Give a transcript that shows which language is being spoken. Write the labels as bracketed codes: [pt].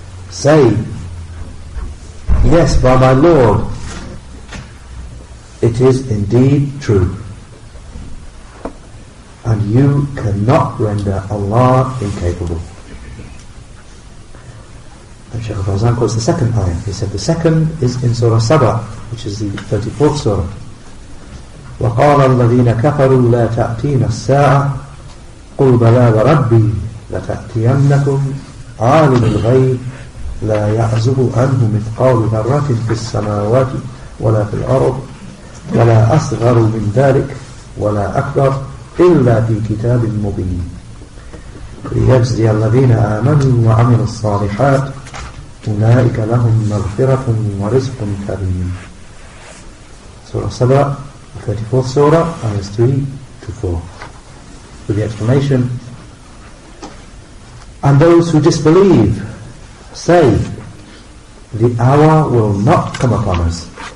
[en] Say, yes, by my Lord, it is indeed true. And you cannot render Allah incapable. And Shaykh al-Fawzan quotes the second ayah. He said the second is in Surah Saba, which is the 34th surah. [ar] وَقَالَ الَّذِينَ كَفَرُوا لَا تَأْتِينَ السَّاعَةَ قُلْ بَلَا وَرَبِّي لَتَأْتِيَنَّكُمْ عَالِمُ الْغَيْبِ لا يعزب عنه مثقال ذرة في السماوات ولا في الأرض ولا أصغر من ذلك ولا أكبر إلا في كتاب مبين ليجزي الذين آمنوا وعملوا الصالحات أولئك لهم مغفرة ورزق كريم. سورة سبع [en] 34th [ar] سورة آيات [en] 3-4 with the explanation, and those who disbelieve say, the hour will not come upon us.